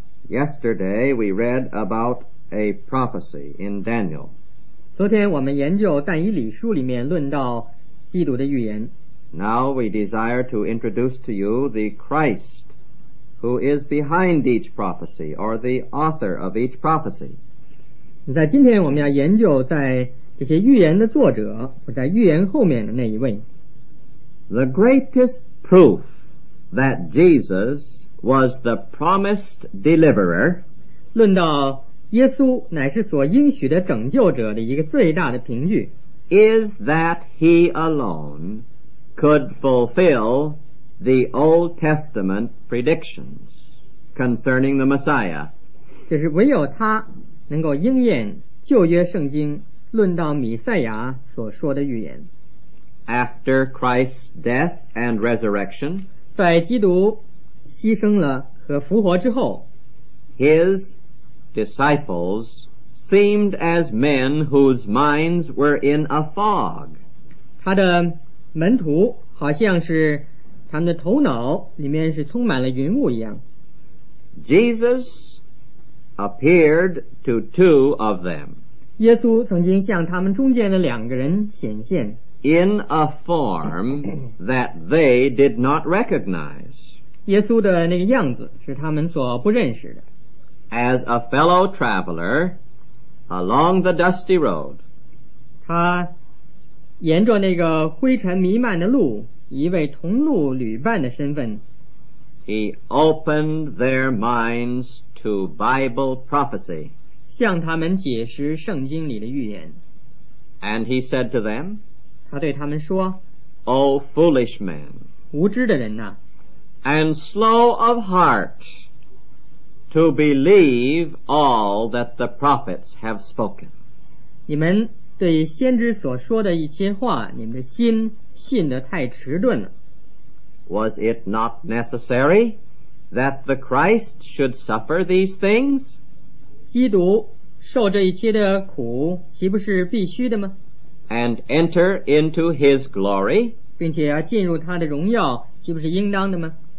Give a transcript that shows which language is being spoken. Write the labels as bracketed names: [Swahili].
[English] Yesterday we read about a prophecy in Daniel， [Chinese] 昨天我们研究但以理书里面论到基督的预言。 [English] Now we desire to introduce to you the Christ who is behind each prophecy or the author of each prophecy。 [Chinese] 在今天我们要研究在这些预言的作者，或在预言后面的那一位。 [English] The greatest proof that Jesus was the promised deliverer， [Chinese] 论到耶稣乃是所应许的拯救者的一个最大的凭据， [English] is that he alone could fulfill the Old Testament predictions concerning the Messiah， [Chinese] 就是唯有他能够应验旧约圣经论到弥赛亚所说的预言。 [English] After Christ's death and resurrection， [Chinese] 在基督牺牲了和复活之后， [English] His disciples seemed as men whose minds were in a fog， [Chinese] 他的门徒好像是他们的头脑里面是充满了云雾一样。 [English] JesusAppeared to two of them， [Chinese] 耶稣曾经向他们中间的两个人显现。 [English] In a form that they did not recognize， [Chinese] 耶稣的那个样子是他们所不认识的。 [English] As a fellow traveler along the dusty road， [Chinese] 他沿着那个灰尘弥漫的路，一位同路旅伴的身份。 [English] He opened their mindsTo Bible prophecy， [Chinese] 向他们解释圣经里的预言。 [English] And he said to them， [Chinese] 他对他们说， [English] O foolish man， [Chinese] 无知的人啊， [English] And slow of heart to believe all that the prophets have spoken， [Chinese] 你们对先知所说的一些话，你们的心信得太迟钝了。 [English] Was it not necessary that the Christ should suffer these things？ [Chinese] 基督受这一切的苦岂不是必须的吗？ [English] And enter into his glory， [Chinese] 并且要进入他的荣耀岂不是应当的吗？